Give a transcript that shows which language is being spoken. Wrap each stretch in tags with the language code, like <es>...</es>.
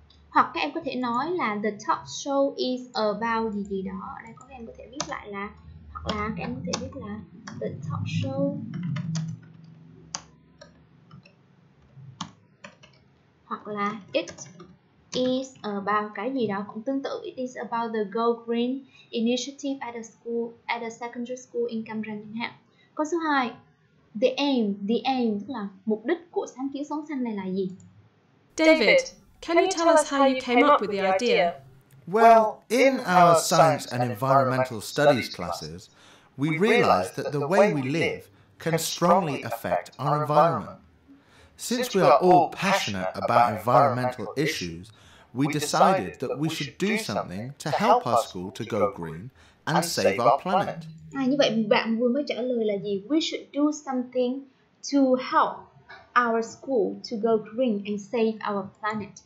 <vi>Hoặc các em có thể nói là</vi> <en>the talk show is about</en> <vi>gì gì đó. Đây các em có thể viết lại là, hoặc là các em có thể viết là</vi> <en>the talk show</en> <vi>hoặc là</vi> <en>it is about</en> <vi>cái gì đó cũng tương tự.</vi> <en>It is about the Go Green initiative at a school, at a secondary school in Cam Ranh</en> <vi>chẳng hạn. Câu số 2.</vi> <en>The aim</en> <vi>tức là mục đích của sáng kiến sống xanh này là gì?</vi> <en>David, can you tell us how you came up with the idea? Well, in our science and environmental studies classes, we realized that the way we live can strongly affect our environment. Since we are all passionate about environmental issues, we decided that we should do something to help our school to go green and save our planet.</en> <vi>À, như vậy bạn vừa mới trả lời là gì?</vi> <en>We should do something to help our school to go green and save our planet.</en>